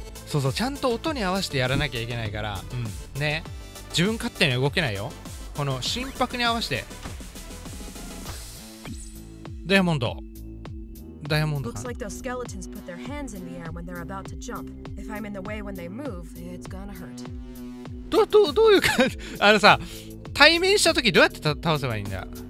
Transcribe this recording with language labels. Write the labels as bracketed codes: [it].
[ja] そうそう、ちゃんと音に合わせてやらなきゃいけないから、うん、ね、自分勝手には動けないよ、この心拍に合わせて。ダイヤモンド、ダイヤモンドかな。 [en] Looks like those skeletons put their hands in the air when they're about to jump. If I'm in the way when they move, it's gonna hurt. [ja] どういう感じ、あのさ、対面した時どうやって倒せばいいんだ。